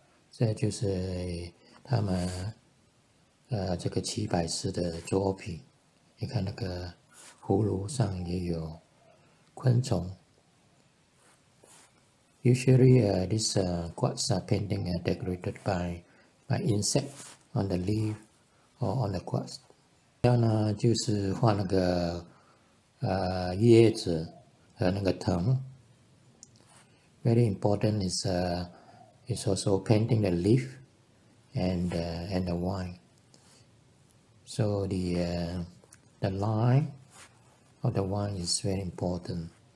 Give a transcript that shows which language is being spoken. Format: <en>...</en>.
<zh>这就是他们这个齐白石的作品。你看那个葫芦上也有昆虫。</zh> <en>Usually these gourds are painting are decorated by insect on the leaf or on the gourds.</en> <zh>然后呢就是画那个 叶子和那个藤。</zh> <en>Very important is it's also painting the leaf and the wine. So the line of the wine is very important.</en>